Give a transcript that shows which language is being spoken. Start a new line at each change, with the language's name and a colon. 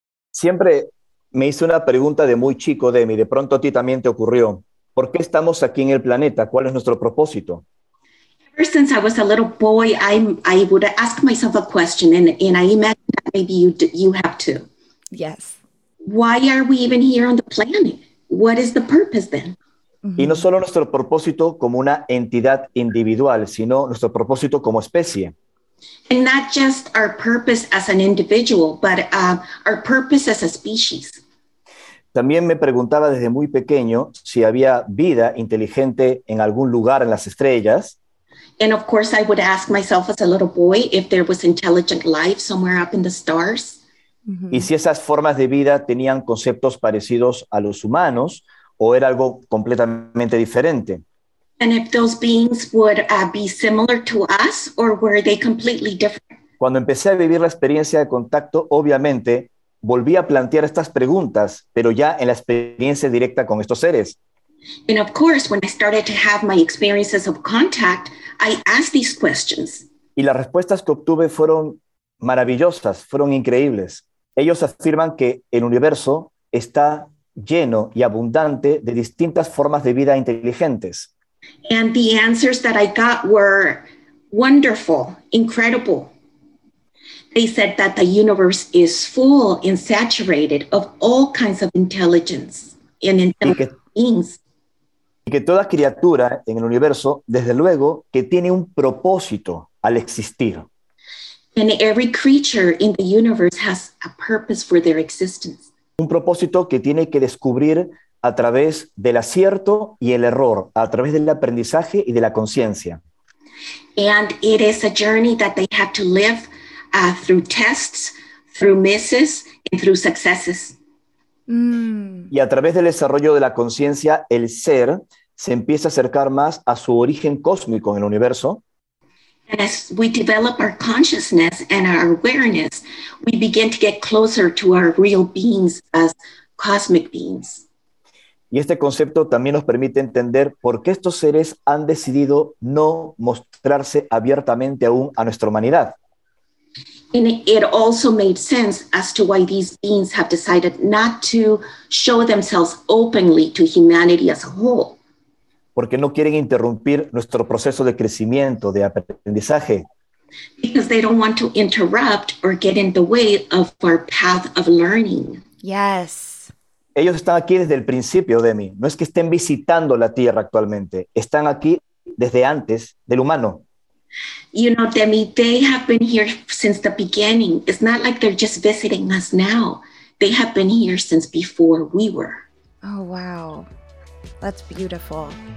Spanish: Siempre me hice una pregunta de muy chico, Demi, de pronto a ti también te ocurrió. ¿Por qué estamos aquí en el planeta? ¿Cuál es nuestro propósito?
English: Ever since I was a little boy, I would ask myself a question, and I imagine that maybe you have too. Yes. Why are we even here on the planet? What is the purpose then?
Spanish: Y no solo nuestro propósito como una entidad individual, sino nuestro propósito como especie.
English: And not just our purpose as an individual, but our purpose as a species.
Spanish: También me preguntaba desde muy pequeño si había vida inteligente en algún lugar en las estrellas.
English: And of course I would ask myself as a little boy if there was intelligent life somewhere up in the stars.
Spanish: Y si esas formas de vida tenían conceptos parecidos a los humanos, ¿o era algo completamente diferente?
English: And if those beings would be similar to us, or were they completely different?
Spanish: Cuando empecé a vivir la experiencia de contacto, obviamente, volví a plantear estas preguntas, pero ya en la experiencia directa con estos seres.
English: And of course, when I started to have my experiences of contact, I asked these questions.
Spanish: Y las respuestas que obtuve fueron maravillosas, fueron increíbles. Ellos afirman que el universo está lleno y abundante de distintas formas de vida inteligentes.
English: And the answers that I got were wonderful, incredible. They said that the universe is full and saturated of all kinds of intelligence and intelligent beings.
Spanish: Y que toda criatura en el universo, desde luego, que tiene un propósito al existir.
English: And every creature in the universe has a purpose for their existence.
Spanish: Un propósito que tiene que descubrir a través del acierto y el error, a través del aprendizaje y de la conciencia.
English: And it is a journey that they have to live through tests, through misses, and through successes.
Spanish: Y a través del desarrollo de la conciencia, el ser se empieza a acercar más a su origen cósmico en el universo.
English: And as we develop our consciousness and our awareness, we begin to get closer to our real beings as cosmic beings.
Spanish: Y este concepto también nos permite entender por qué estos seres han decidido no mostrarse abiertamente aún a nuestra humanidad.
English: And it also made sense as to why these beings have decided not to show themselves openly to humanity as a whole.
Spanish: Porque no quieren interrumpir nuestro proceso de crecimiento, de aprendizaje.
English: Because they don't want to interrupt or get in the way of our path of learning. Yes.
Spanish: Ellos están aquí desde el principio, Demi. No es que estén visitando la Tierra actualmente. Están aquí desde antes del humano.
English: You know, Demi, they have been here since the beginning. It's not like they're just visiting us now. They have been here since before we were. Oh, wow. That's beautiful.